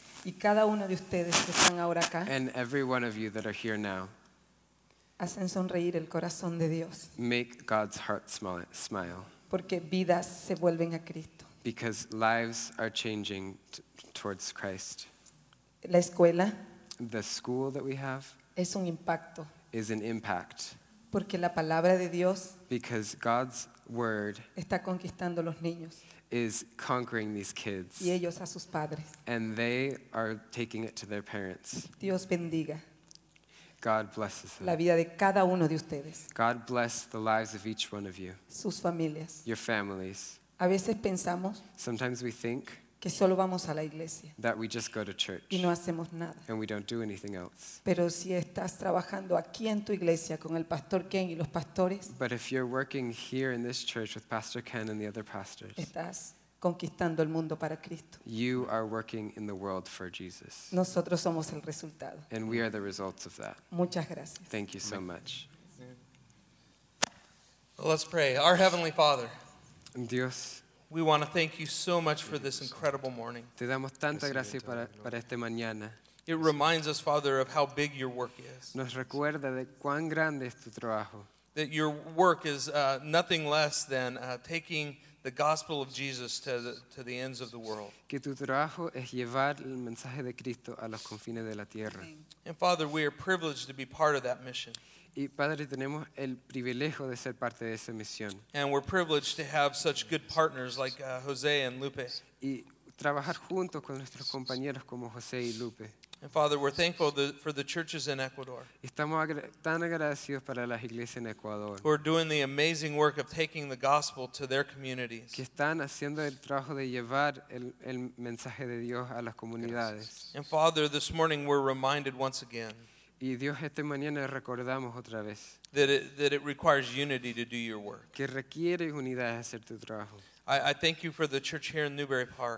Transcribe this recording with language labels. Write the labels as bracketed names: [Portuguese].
[Spanish] y cada uno de ustedes que están ahora acá, [English] and every one of you that are here now, [Spanish] hacen sonreír el corazón de Dios, [English] make God's heart smile, [Spanish] porque vidas se vuelven a Cristo. [English] Because lives are changing towards Christ. [Spanish] La escuela, [English] the school that we have, [Spanish] es un impacto, [English] is an impact. [Spanish] Porque la palabra de Dios, [English] because God's word, [Spanish] está conquistando los niños, [English] is conquering these kids, [Spanish] y ellos a sus padres, [English] and they are taking it to their parents. [Spanish] Dios bendiga. [English] God blesses them. [Spanish] La vida de cada uno de ustedes. [English] God bless the lives of each one of you. [Spanish] Sus familias. [English] Your families. [Spanish] A veces pensamos, [English] sometimes we think, [Spanish] que solo vamos a la iglesia, [English] that we just go to church, [Spanish] y no hacemos nada, [English] and we don't do anything else. [Spanish] Pero si estás trabajando aquí en tu iglesia con el Pastor Ken y los pastores, [English] but if you're working here in this church with Pastor Ken and the other pastors, [Spanish] estás conquistando el mundo para Cristo. [English] You are working in the world for Jesus. [Spanish] Nosotros somos el resultado. [English] And we are the results of that. [Spanish] Muchas gracias. [English] Thank you so much. Well, let's pray. Our Heavenly Father, [Spanish] Dios, [English] we want to thank you so much for this incredible morning. [Spanish] Te damos tanta gracias para este mañana. [English] It reminds us, Father, of how big your work is. [Spanish] Nos recuerda de cuán grande es tu trabajo. [English] That your work is nothing less than taking the gospel of Jesus to the ends of the world. [Spanish] Que tu trabajo es llevar el mensaje de Cristo a los confines de la tierra. [English] And Father, we are privileged to be part of that mission. [Spanish] Y Padre, tenemos el privilegio de ser parte de esa misión. [English] And we're privileged to have such good partners like Jose and Lupe. [Spanish] Y trabajar junto con nuestros compañeros como Jose y Lupe. [English] And Father, we're thankful for the churches in Ecuador. [Spanish] Estamos tan agradecidos para las iglesias en Ecuador. [English] Who are doing the amazing work of taking the gospel to their communities. [Spanish] Que están haciendo el trabajo de llevar el mensaje de Dios a las comunidades. [English] And Father, this morning we're reminded once again. [Spanish] Y Dios, esta mañana recordamos otra vez [English] that it requires unity to do your work. [Spanish] Que requiere unidad hacer tu trabajo. [English] I thank you for the church here in Newbury Park.